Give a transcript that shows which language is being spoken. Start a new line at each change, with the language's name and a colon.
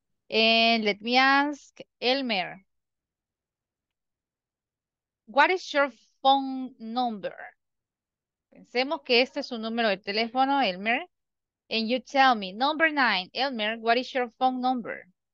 English: And let me ask Elmer, what is your phone number?
Spanish: Pensemos que este es un número de teléfono, Elmer.
English: And you tell me, number 9, Elmer, what is your phone number?